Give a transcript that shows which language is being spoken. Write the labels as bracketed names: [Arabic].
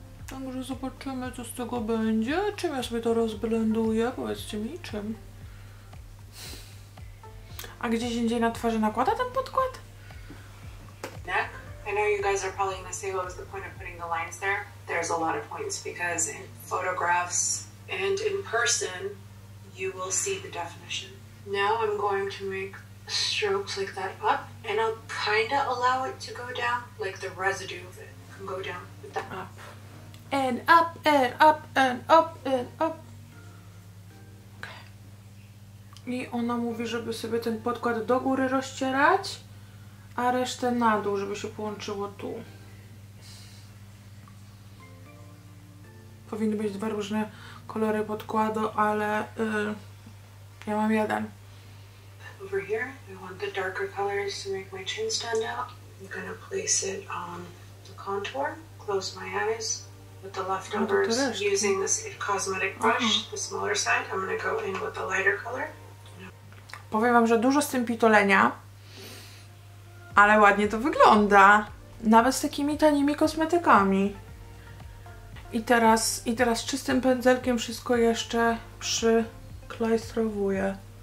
[Polish] Także zobaczymy, co z tego będzie. Czym ja sobie to rozblenduję? Powiedzcie mi, czym. A gdzieś indziej na twarzy nakłada ten podkład? [English] Neck. I know you guys are probably gonna say, what was the point of putting the lines there? There's a lot of points, because in photographs and in person, you will see the definition. Now I'm going to make strokes like that up, and I'll kinda allow it to go down, like the residue of it can go down with the up. And up, and up, and up, and up. [Polish] Okay. I ona mówi, żeby sobie ten podkład do góry rozcierać, a resztę na dół, żeby się połączyło tu. Powinny być dwa różne kolory podkładu, ale ja mam jeden. [English] Over here, I want the darker colors to make my chin stand out. I'm gonna place it on the contour, close my eyes. With the leftovers, using this cosmetic brush, the smaller side, I'm gonna go in with the lighter color. [Polish] Powiem wam, że dużo z tym pitolenia, ale ładnie to wygląda. Nawet z takimi tanimi kosmetykami. I teraz czystym pędzelkiem wszystko jeszcze przyklajstrowuję.